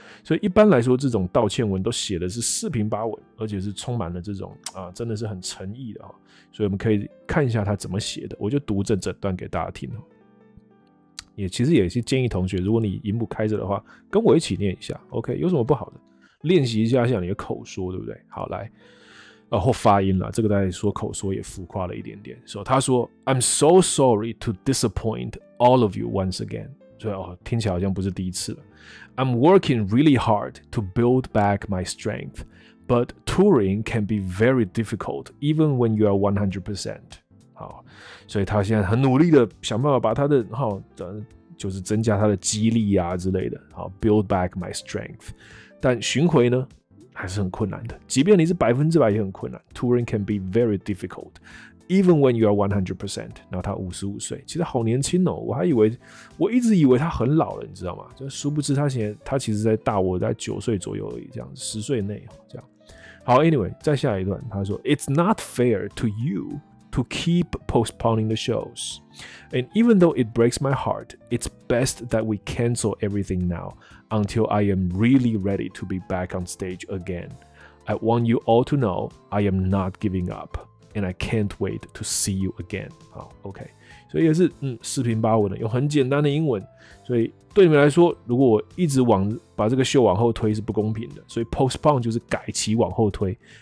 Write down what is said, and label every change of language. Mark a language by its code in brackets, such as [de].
[zh] 所以一般来说，这种道歉文都写的是四平八稳，而且是充满了这种真的是很诚意的、哦、所以我们可以看一下他怎么写的，我就读这整段给大家听、哦、也其实也是建议同学，如果你荧幕开着的话，跟我一起念一下 ，OK？ 有什么不好的？练习一下像你的口说，对不对？好，来。或发音啦，这个在说口说也浮夸了一点点。所以他说 [en] ，I'm so sorry to disappoint all of you once again。 [zh] 所以听起来好像不是第一次了。 [en] I'm working really hard to build back my strength, but touring can be very difficult, even when you are 100%。 [zh] 好，所以他现在很努力的想办法把他的就是增加他的肌力啊之类的。好 ， [en] build back my strength。 [zh] 但巡回呢？还是很困难的，即便你是百分之百也很困难。 [en] Touring can be very difficult even when you are 100%。 [zh] 然后他55岁，其实好年轻哦，我还以为，我一直以为他很老了，你知道吗？就殊不知他现在，他其实在大我在9岁左右而已，这样10岁内这样。好， [en] anyway， [zh] 再下一段他说 [en] It's not fair to youTo keep postponing the shows. And even though it breaks my heart, it's best that we cancel everything now until I am really ready to be back on stage again. I want you all to know I am not giving up and I can't wait to see you again. [zh] 好， OK， 所以也是四平八稳的，用很简单的英文。所以对你们来说，如果我一直往把这个秀往后推是不公平的，所以 postpone 就是改期往后推。